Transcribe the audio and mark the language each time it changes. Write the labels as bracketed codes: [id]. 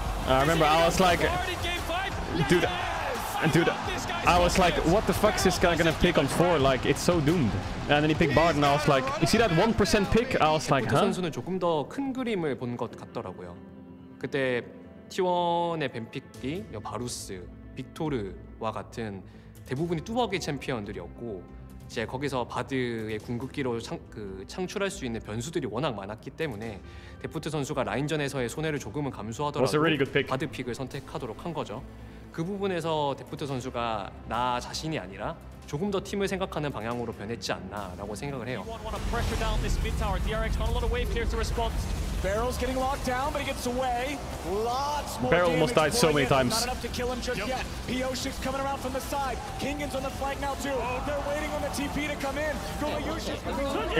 [en] I remember I was like, dude, and dude, I was like, what the fuck is this guy gonna pick on 4? Like, it's so doomed. And then he picked Bard, and I was like, you see that 1% pick? I was like, huh? [ko] 선수는 조금 더 큰 그림을 본 것 같더라고요. 그때 T1의 뱀픽이 바루스, 빅토르와 같은 대부분이 뚜벅의 챔피언들이었고, 이제 거기서 바드의 궁극기로 창출할 수 있는 변수들이 워낙 많았기 때문에 데프트 선수가 라인전에서의 손해를 조금은 감수하더라도 [en] was a really good pick. [ko] 바드 픽을 선택하도록 한 거죠. 그 부분에서 데프트 선수가 나 자신이 아니라 조금 더 팀을 생각하는 방향으로 변했지 않나라고 생각을 해요. [en] T1 want to pressure down this mid tower. DRX not a lot of wave here to respond. Barrel's getting locked down, but he gets away. Lots more. Barrel almost died so many times. Not enough to kill him just yet. Piosik's coming around from the side. Kingen's on the flank now too. They're waiting on the TP to come in.